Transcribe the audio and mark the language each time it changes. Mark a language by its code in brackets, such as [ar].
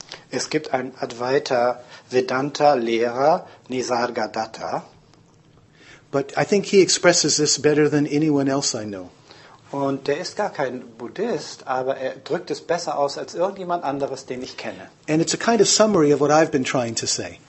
[de] Es gibt einen Advaita Vedanta Lehrer Nisargadatta. [en] But I think he expresses this better than anyone else I know. [de] Und der ist gar kein Buddhist, aber er drückt es besser aus als irgendjemand anderes, den ich kenne. [en] And it's a kind of summary of what I've been trying to say.